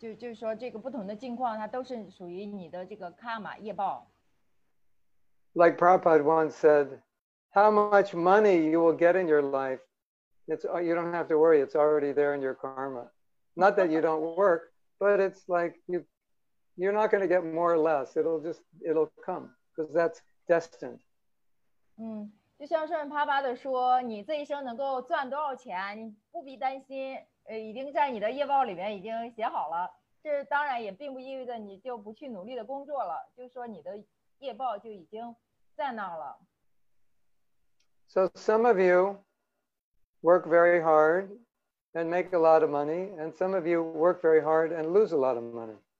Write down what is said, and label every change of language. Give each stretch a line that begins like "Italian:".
Chinese: 就是帕帕的说，也不管是这个好坏苦乐，还是说，就是说这个不同的境况，它都是属于你的这个 karma 业报。Like
English: Prabhupada once said, "How much money you will get in your life? It's you don't have to worry. It's already there in your karma. Not that you don't work." But it's like you're not going to get more or less. It'll come because that's destined.
Chinese: 就像圣人帕巴的说，你这一生能够赚多少钱，不必担心，已经在你的业报里面已经写好了。这当然也并不意味着你就不去努力的工作了，就是说你的业报就已经在那了。So
English: some of you work very hard and make a lot of money, and some of you work very hard and lose a lot of money.